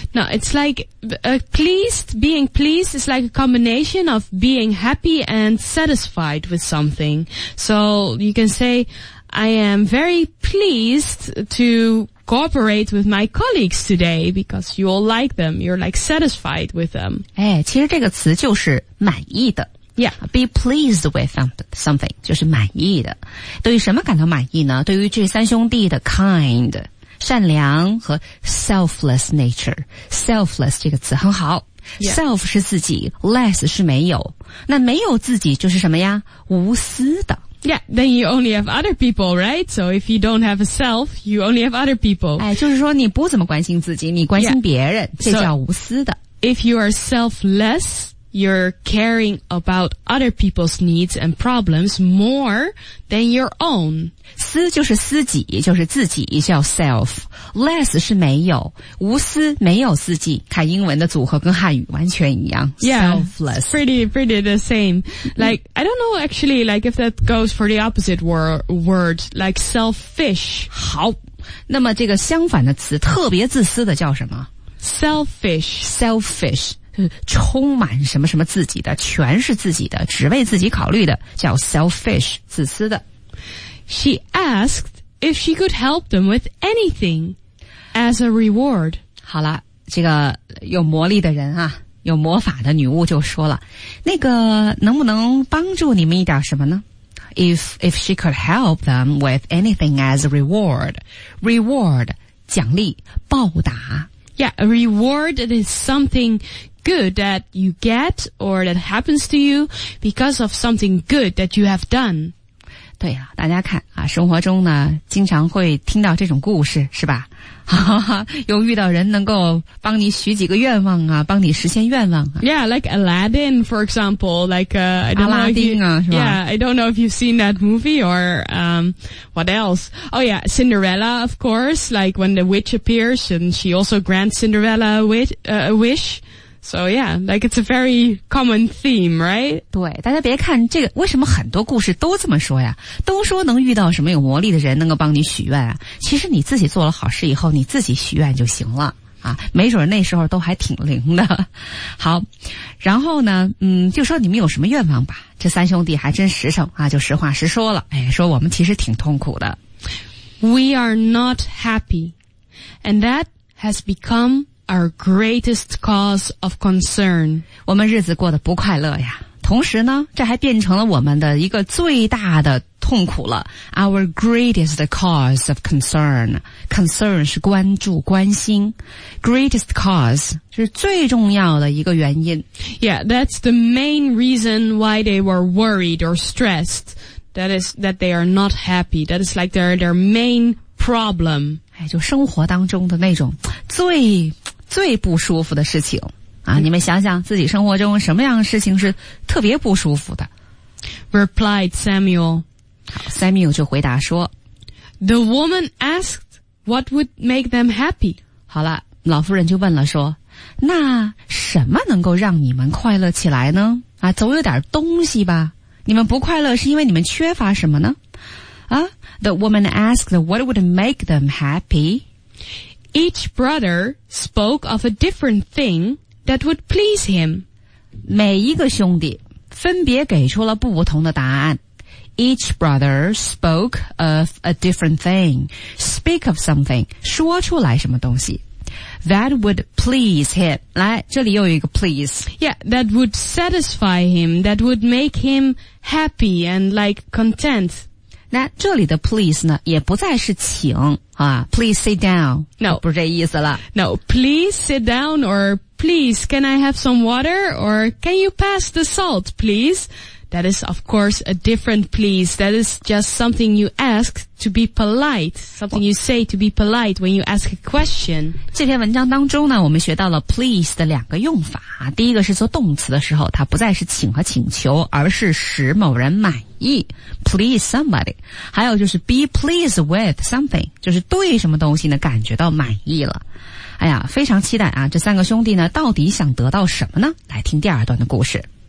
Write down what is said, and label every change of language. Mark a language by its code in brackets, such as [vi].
[en] No, it's like, pleased, being pleased is like a combination of being happy and satisfied with something. So, you can say, I am very pleased to cooperate with my colleagues today because you all like them. You're like satisfied with them. [zh] 哎，其实这个词就是满意的。 [en] Yeah. Be pleased with something, [zh] 就是满意的。对于什么感到满意呢？对于这三兄弟的 kind。善良和 selfless nature， selfless 这个词很好、 [en] yeah. [zh] self 是自己， less 是没有，那没有自己就是什么呀，无私的。 [en] Yeah, then you only have other people, right? So if you don't have a self, you only have other people. [zh] 哎，就是说你不怎么关心自己，你关心别人、 [en] yeah. [zh] 这叫无私的。 [en] So, if you are selfless, you're caring about other people's needs and problems more than your own. [zh] 私就是私己，就是自己，叫 self。less 是没有，无私没有自己。看英文的组合跟汉语完全一样。 [en] Yeah, selfless. Pretty the same. Like, I don't know actually, like, if that goes for the opposite word, like selfish. [zh] 好，那么这个相反的词，特别自私的叫什么？ [en] Selfish. [zh] Selfish. 充满什么什么自己的，全是自己的，只为自己考虑的，叫 selfish， 自私的。 [en] She asked if she could help them with anything as a reward. [zh] 好了，这个有魔力的人啊，有魔法的女巫就说了，那个能不能帮助你们一点什么呢？ [en] If she could help them with anything as a reward. [zh] Reward, 奖励，报答。 [en] Yeah, a reward is something good that you get or that happens to you because of something good that you have done. [zh] 对啊，大家看啊，生活中呢经常会听到这种故事是吧，又遇到人能够帮你许几个愿望啊，帮你实现愿望啊。 [en] Yeah, like Aladdin, for example, like, I don't know. [zh] Aladdin 啊，是吧？ [en] Yeah, I don't know if you've seen that movie or, what else? Oh yeah, Cinderella, of course, like when the witch appears and she also grants Cinderella a wish. So yeah, like it's a very common theme, right? [zh] 对，大家别看这个，为什么很多故事都这么说呀？都说能遇到什么有魔力的人能够帮你许愿啊。其实你自己做了好事以后，你自己许愿就行了啊。没准那时候都还挺灵的。好，然后呢，就说你们有什么愿望吧。这三兄弟还真实诚啊，就实话实说了。哎，说我们其实挺痛苦的。 [en] We are not happy, and that has become. Our greatest cause of concern. [zh] 我们日子过得不快乐呀，同时呢，这还变成了我们的一个最大的痛苦了。 [en] Our greatest cause of concern. Concern [zh] 是关注、关心。 [en] Greatest cause [zh] 是最重要的一个原因。 [en] Yeah, that's the main reason why they were worried or stressed. That is that they are not happy. That is like their main problem. [zh] 哎，就生活当中的那种最不舒服的事情啊！你们想想自己生活中什么样的事情是特别不舒服的 [en] ？Replied Samuel. [zh] Samuel 就回答说 [en] ：“The woman asked what would make them happy。” [zh] 好了，老妇人就问了说：“那什么能够让你们快乐起来呢？啊，总有点东西吧？你们不快乐是因为你们缺乏什么呢？” [en] 啊 ，The woman asked what would make them happy. Each brother spoke of a different thing that would please him. [zh] 每一个兄弟分别给出了不同的答案。 [en] Each brother spoke of a different thing. Speak of something, [zh] 说出来什么东西。 [en] That would please him. [zh] 来，这里又有一个 please. [en] Yeah, that would satisfy him, that would make him happy and like content. [zh] 那这里的 please 呢也不再是请啊 [en] please sit down, no, [zh] 不是这意思了。 [en] No, please sit down or please can I have some water or can you pass the salt, please? That is of course a different please. That is just something you ask to be polite, something you say to be polite when you ask a question. [zh] 这篇文章当中呢我们学到了 please 的两个用法。第一个是做动词的时候它不再是请和请求而是使某人满意。 [en] Please somebody. [zh] 还有就是 [en] be pleased with something, [zh] 就是对什么东西呢感觉到满意了。哎呀非常期待啊这三个兄弟呢到底想得到什么呢来听第二段的故事。